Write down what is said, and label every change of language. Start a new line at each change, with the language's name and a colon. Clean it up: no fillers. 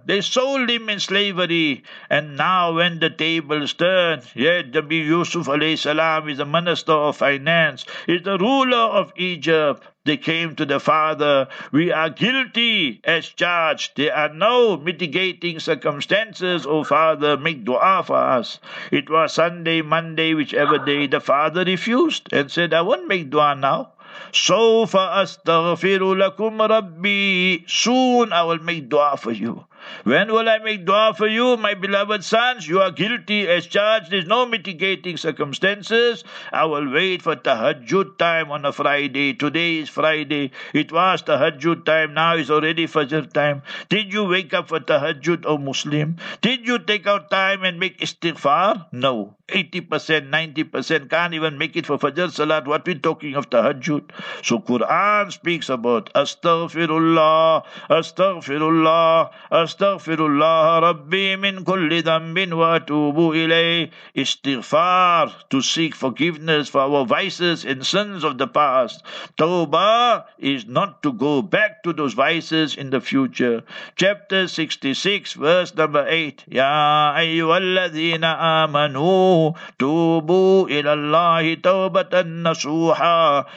English: They sold him in slavery, and now when the tables turn, Nabi Yusuf alayhi salam is the minister of finance, is the ruler of Egypt. They came to the father, we are guilty as charged. There are no mitigating circumstances, O father, make dua for us. It was Sunday, Monday, whichever day, the father refused and said, I won't make dua now.
Arabic: So فَأَسْتَغْفِرُ لَكُمْ رَبِّي.
English: Soon I will make dua for you. When will I make dua for you, my beloved sons? You are guilty as charged. There's no mitigating circumstances. I will wait for tahajjud time on a Friday. Today is Friday. It was tahajjud time. Now is already Fajr time. Did you wake up for tahajjud, O Muslim? Did you take out time and make istighfar? No. 80%, 90% can't even make it for Fajr Salat. What we're talking of tahajjud? So Quran speaks about astaghfirullah, astaghfirullah, astaghfirullah.
Arabic: واستغفر الله ربي من كل ذنب واتوب اليه.
English: استغفار, to seek forgiveness for our vices and sins of the past. Tawbah is not to go back to those vices in the future. Chapter 66, verse number 8.
Arabic: Ya ayyuhalladhina amanu tubu ilallahi tawbatan nasuha.